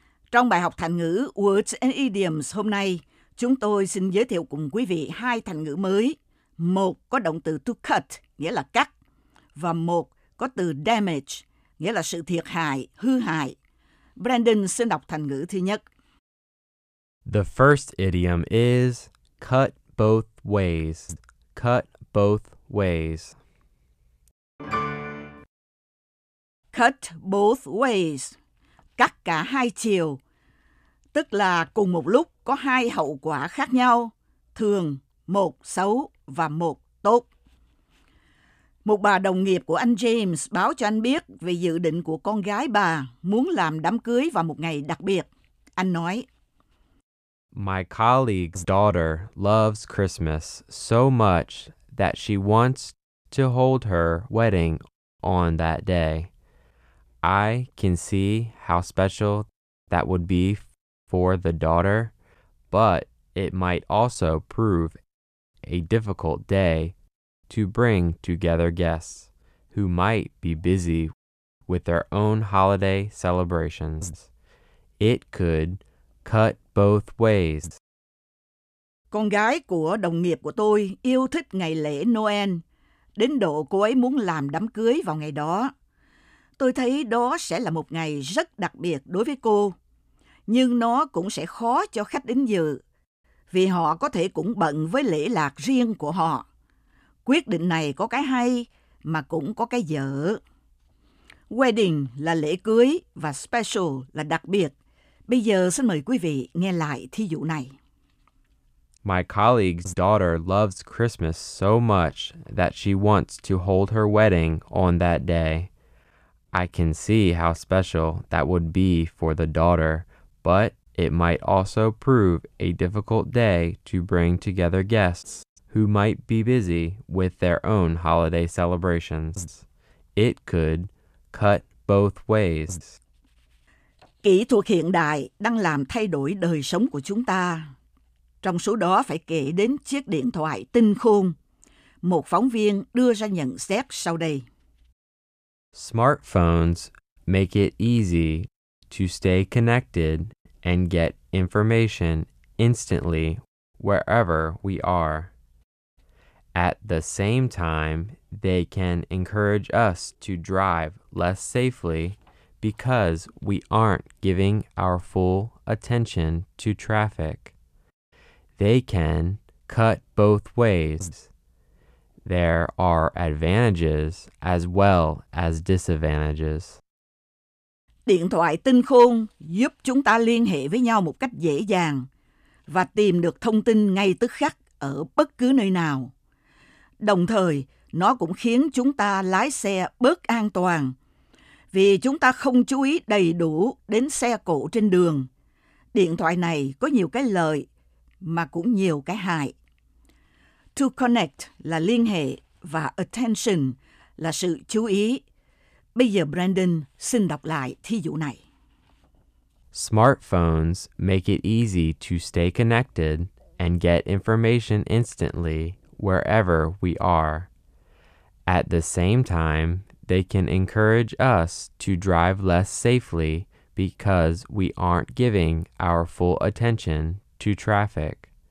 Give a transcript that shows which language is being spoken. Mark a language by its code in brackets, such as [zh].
[vi] Trong bài học thành ngữ Words and Idioms hôm nay, chúng tôi xin giới thiệu cùng quý vị hai thành ngữ mới. Một có động từ to cut, nghĩa là cắt, và một có từ damage, nghĩa là sự thiệt hại, hư hại. Brandon xin đọc thành ngữ thứ nhất. [en] The first idiom is cut both ways. Cut both ways. Cut both ways. [vi] Cắt cả hai chiều. Tức là cùng một lúc có hai hậu quả khác nhau, thường một xấu và một tốt. Một bà đồng nghiệp của anh James báo cho anh biết về dự định của con gái bà muốn làm đám cưới vào một ngày đặc biệt. Anh nói, [en] My colleague's daughter loves Christmas so much that she wants to hold her wedding on that day. I can see how special that would be for the daughter, but it might also prove a difficult day to bring together guests who might be busy with their own holiday celebrations. It could cut both ways. [vi] Con gái của đồng nghiệp của tôi yêu thích ngày lễ Noel, đến độ cô ấy muốn làm đám cưới vào ngày đó. Tôi thấy đó sẽ là một ngày rất đặc biệt đối với cô. Nhưng nó cũng sẽ khó cho khách đến dự, vì họ có thể cũng bận với lễ lạc riêng của họ. Quyết định này có cái hay, mà cũng có cái dở. Wedding là lễ cưới và special là đặc biệt. Bây giờ xin mời quý vị nghe lại thí dụ này. [en] My colleague's daughter loves Christmas so much that she wants to hold her wedding on that day. I can see how special that would be for the daughter. But it might also prove a difficult day to bring together guests who might be busy with their own holiday celebrations. It could cut both ways. [vi] Kỹ thuật hiện đại đang làm thay đổi đời sống của chúng ta. Trong số đó phải kể đến chiếc điện thoại tinh khôn. Một phóng viên đưa ra nhận xét sau đây. [en] Smartphones make it easy to stay connected and get information instantly wherever we are. At the same time, they can encourage us to drive less safely because we aren't giving our full attention to traffic. They can cut both ways. There are advantages as well as disadvantages. [vi] Điện thoại tinh khôn giúp chúng ta liên hệ với nhau một cách dễ dàng và tìm được thông tin ngay tức khắc ở bất cứ nơi nào. Đồng thời, nó cũng khiến chúng ta lái xe bớt an toàn vì chúng ta không chú ý đầy đủ đến xe cộ trên đường. Điện thoại này có nhiều cái lợi mà cũng nhiều cái hại. To connect là liên hệ và attention là sự chú ý. Bây giờ Brandon xin đọc lại thí dụ này. [en] Smartphones make it easy to stay connected and get information instantly wherever we are. At the same time, they can encourage us to drive less safely because we aren't giving our full attention to traffic.